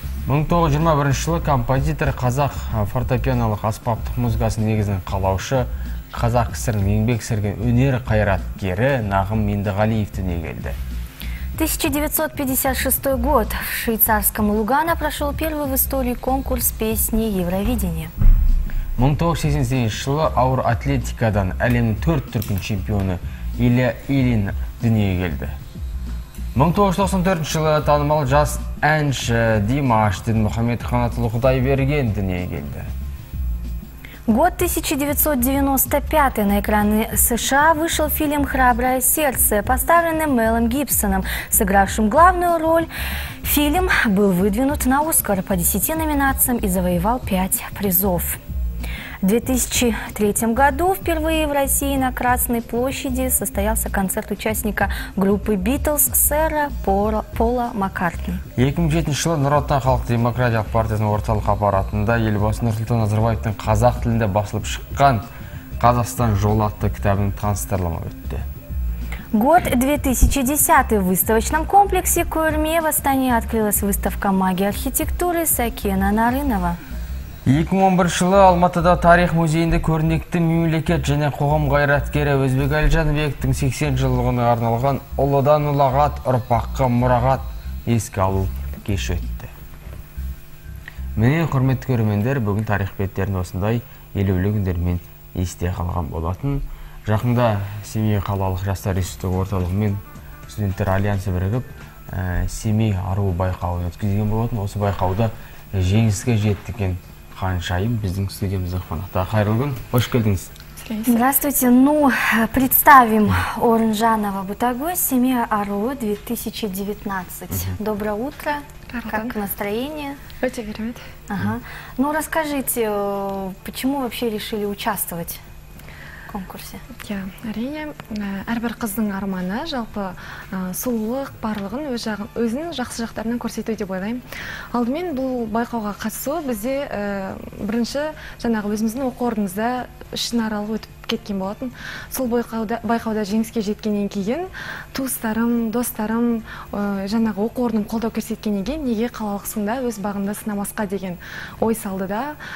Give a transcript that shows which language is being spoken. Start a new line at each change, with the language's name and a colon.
Kazakh: Мың 1921 жылы композитор қазақ фортепианолық аспаптық музыкасының негізін қалаушы, Қазақ кісірін еңбек сірген өнер қайраткері Нағым Меңдіғалиевті не келді.
Russian: 1956 год. В швейцарском Лугана прошел первый в истории конкурс песни Евровидения.
Kazakh: 1987 жылы ауыр атлетикадан әлемнің 4 түркін чемпионы Илья Ильин дүние келді. 1994 жылы танымал жас әнші Димаш Дінмұхамед Қанатұлы Құдайберген дүние келді.
Russian: Год 1995. На экраны США вышел фильм «Храброе сердце», поставленный Мелом Гибсоном, сыгравшим главную роль. Фильм был выдвинут на «Оскар» по 10 номинациям и завоевал 5 призов. В 2003 году впервые в России на Красной площади состоялся концерт участника группы «Битлз» сэра Пола Маккартни.
Kazakh: 2007 жылы Нұротан Халық Демократиялық партиясының орталық аппаратында елбасы Нұрсұлтан Назарбаевтың қазақ тілінде басылып шыққан «Қазақстан жолы» атты кітабының таныстырылымы өтті.
Russian: Год 2010. В выставочном комплексе «Көрме» в Астане открылась выставка магии архитектуры Сакена Нарынова.
Kazakh: 2011 жылы Алматыда тарих музейінде көрнекті мемлекет және қоғам қайраткері Өзбек Әлжанбектің 80 жылығына арналған ұлыдан ұлағат ұрпаққа мұрағат еске алу кеші өтті. Міне, құрметті көрермендер, бүгін тарих беттерінде осындай елеулі күндермен есте қалған болатын. Жақында Семей қалалық жастар ресурстық орталығы мен студенттер альянсы бірігіп Семей аруы байқауын өткізген болатын. Осы байқауда жеңіске жеттікен Ханшайым, біздің студиямызда қонақта. Қайырлы күн, қош келдіңіз.
Russian: Здравствуйте. Ну, представим Орынжанова Бутагөз, Семей аруы 2019. Доброе утро. Как настроение?
Kazakh: Өте керемет. Ага.
Russian: Ну, расскажите, почему вообще решили участвовать конкурсе? Я,
Kazakh: әрине, әрбір қыздың арманы жалпы сұлулық барлығын өзін жақсы жақтарынан көрсету деп ойлаймын. Алдымен бұл байқауға қатысу бізде бірінші жаңағы өзіміздің оқу орнымызда ішінаралық өтіп кеткен болатын. Сол байқауда жеңіске жеткеннен кейін туыстарым, достарым, жаңағы оқу орным қолдау көрсеткеннен кейін неге қалалықсыңда өз бағында сынамасқа деген ой салды да.